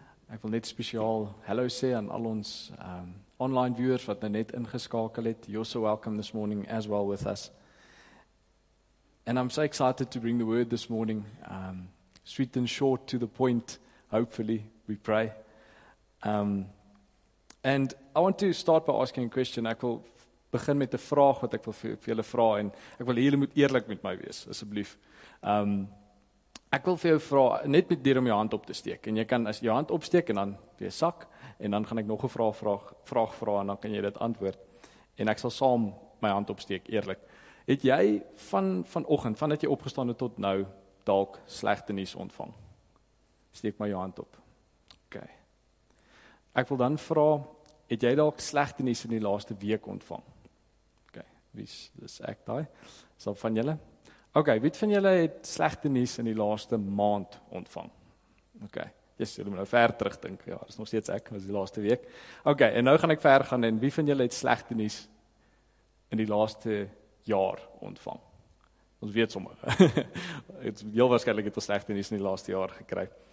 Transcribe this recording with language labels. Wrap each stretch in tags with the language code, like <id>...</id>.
<af>Ek wil net spesiaal hallo sê aan al ons online viewers wat nou net ingeskakel het.</af> <en>You're so welcome this morning as well with us. And I'm so excited to bring the word this morning. Sweet and short, to the point, hopefully, we pray. And I want to start by asking a question.</en> <af>Ek wil begin met 'n vraag wat ek wil vir julle vra, en ek wil hê julle moet eerlik met my wees, asseblief. Ek wil vir jou vra, net met deur om jou hand op te steek, en jy kan as jou hand opsteek en dan weer sak, en dan gaan ek nog 'n vraag vra, en dan kan jy dit antwoord. En ek sal saam my hand opsteek, eerlik. Het jy vanoggend, vandat jy opgestaan het tot nou, dalk slegte nuus ontvang? Steek maar jou hand op. Ok. Ek wil dan vra, het jy dalk slegte nuus in die laaste week ontvang? Ok, dis ek daai. Sal van julle? Ok, wie van julle het slegte nuus in die laaste maand ontvang? Ok. Yes, julle moet nou ver terugdink. Ja, dis nog steeds ek, was die laaste week. Ok, en nou gaan ek ver gaan, en wie van julle het slegte nuus in die laaste jaar ontvang? Ons weet sommer. Heel waarschijnlijk het ons slechte nuus in die laaste jaar gekry.</af>